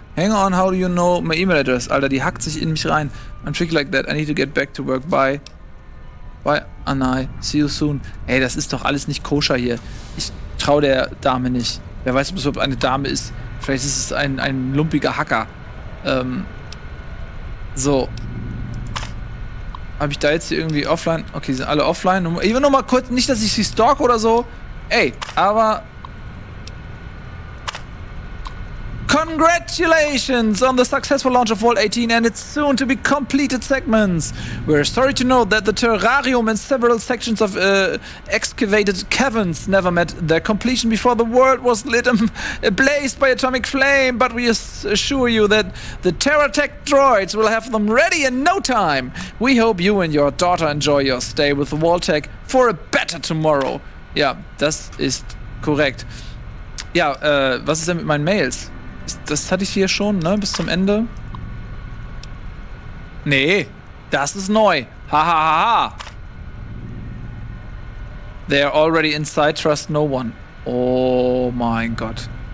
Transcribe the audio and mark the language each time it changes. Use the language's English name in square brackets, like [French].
[English] Hang on, how do you know my email address? [German] Alter, die hackt sich in mich rein. [English] I'm tricky like that. I need to get back to work. Bye. Bye. [German] Ah, nein. [English] See you soon. [German] Ey, das ist doch alles nicht koscher hier. Ich trau der Dame nicht. Wer weiß, ob es eine Dame ist. Vielleicht ist es ein lumpiger Hacker. So. Habe ich da jetzt hier irgendwie offline? Okay, sind alle offline. Ich will nur mal kurz, nicht, dass ich sie stalk oder so. Ey, aber... [English] Congratulations on the successful launch of Vault 18 and its soon to be completed segments. We're sorry to know that the terrarium and several sections of excavated caverns never met their completion before the world was lit ablaze by atomic flame, but we assure you that the TerraTech droids will have them ready in no time. We hope you and your daughter enjoy your stay with the Vault Tech for a better tomorrow. [German] Ja, das ist korrekt. Ja, was ist denn mit meinen Mails? Das hatte ich hier schon, ne, bis zum Ende. Nee, das ist neu. Ha ha ha ha. [English] They are already inside, trust no one. [German] Oh mein Gott.